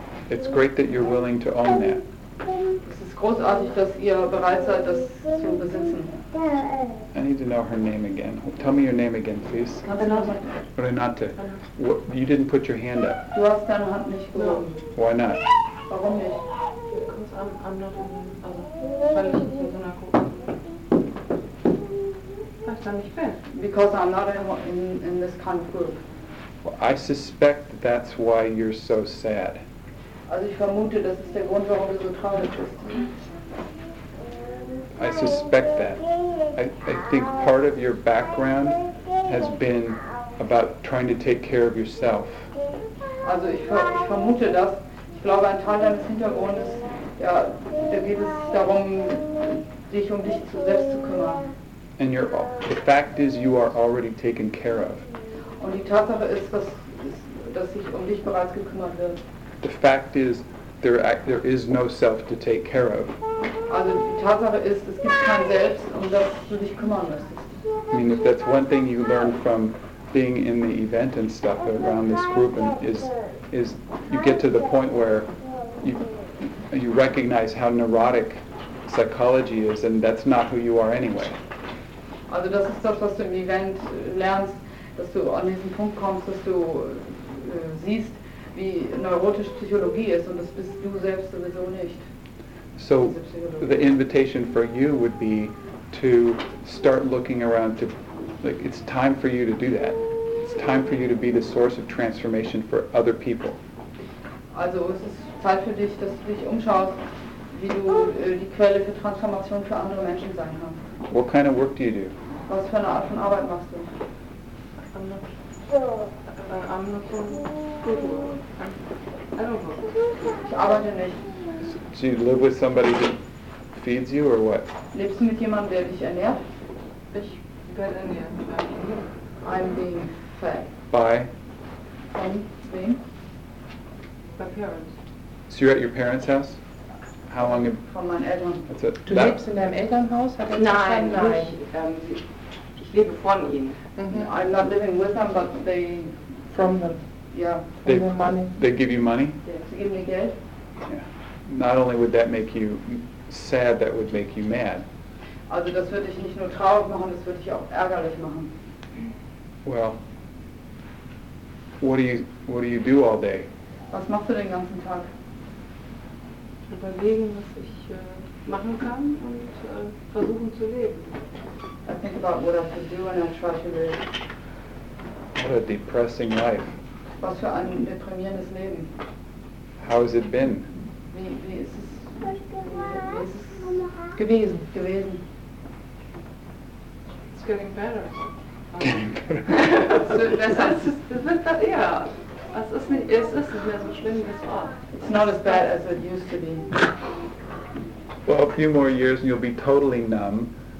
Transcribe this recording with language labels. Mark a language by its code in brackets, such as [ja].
[en] It's great that you're willing to own that. [de] Es ist großartig, dass ihr bereit seid, das zu besitzen. [en] I need to know her name again. Tell me your name again, please. Renate. You didn't put your hand up. [de] Du hast deine Hand nicht gehoben. [en] Why not? [de] Warum nicht? [en] Because I'm not in this kind of group. Well, I suspect that's why you're so sad. [de] Also ich vermute, das ist der Grund, warum du so traurig bist. [en] I suspect that. I think part of your background has been about trying to take care of yourself. [de] Also ich vermute das. Ich glaube, ein Teil deines Hintergrundes, ja, da geht es darum, dich um dich selbst zu kümmern. [en] And the fact is, you are already taken care of. [de] Und die Tatsache ist, dass sich um dich bereits gekümmert wird. [en] The fact is, there is no self to take care of. [de] Also die Tatsache ist, es gibt kein Selbst, um das du dich kümmern müsstest. [en] I mean, if that's one thing you learn from being in the event and stuff around this group, and is you get to the point where you recognize how neurotic psychology is, and that's not who you are anyway. [de] Also das ist das, was du im Event lernst, dass du an diesen Punkt kommst, dass du siehst, wie neurotisch Psychologie ist, und das bist du selbst sowieso nicht. [en] So the invitation for you would be to start looking around to, like, it's time for you to do that. It's time for you to be the source of transformation for other people. [de] Also es ist Zeit für dich, dass du dich umschaust, wie du die Quelle für Transformation für andere Menschen sein kannst. [en] What kind of work do you do? [de] Was für eine Art von Arbeit machst du? [en] I don't work. Do you live with somebody that feeds you, or what? [de] Lebst du mit jemandem, der dich ernährt? Ich werde ernährt. [en] I'm being fed. By? From whom? By parents. So you're at your parents' house? How long have you... From my parents. [de] Du lebst in deinem Elternhaus? Nein. Ich lebe von ihnen. [en] Mm-hmm. I'm not living with them, but they... From them. Yeah. They give you money? Yeah. They give me [de] Geld. [en] Yeah. Not only would that make you sad, that would make you mad. [de] Also das würde dich nicht nur traurig machen, das würde dich auch ärgerlich machen. [en] Well, what do you do all day? [de] Was machst du den ganzen Tag? Überlegen, was ich machen kann und versuchen zu leben. [en] I think about what I could do and I try to live. What a depressing life. [de] Was für ein deprimierendes Leben. [en] How has it been? [de] Wie ist es gewesen? [en] It's getting better. Getting better. [de] Es ist nicht mehr so schlimm wie es war. [en] It's not as bad as it used to be. Well, a few more years and you'll be totally numb.